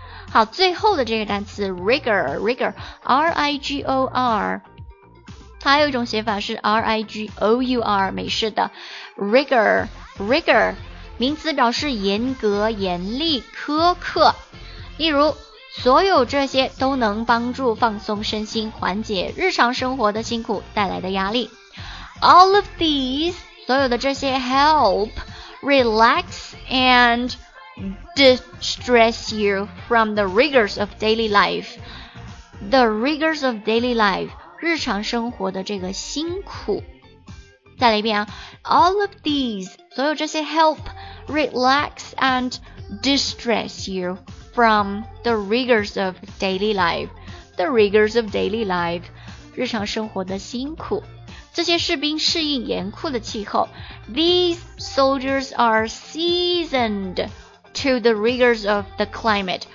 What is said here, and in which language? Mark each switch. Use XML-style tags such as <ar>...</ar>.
<zh>好，最后的这个单词 rigor, R-I-G-O-R， 它还有一种写法是 R-I-G-O-U-R， 美式的 rigor, 名词表示严格、严厉、苛刻。例如所有这些都能帮助放松身心，缓解日常生活的辛苦带来的压力。</zh> <en>All of these</en> <zh>所有的这些</zh> <en>help relax and distress you from the rigors of daily life. The rigors of daily life</en> <zh>日常生活的这个辛苦。再来一遍啊，</zh> <en>All of these</en> <zh>所有这些</zh> <en>help relax and distress youFrom the rigors of daily life, the rigors of daily life,</en> <zh>日常生活的辛苦。这些士兵适应严酷的气候。</zh> <en>These soldiers are seasoned to the rigors of the climate.</en>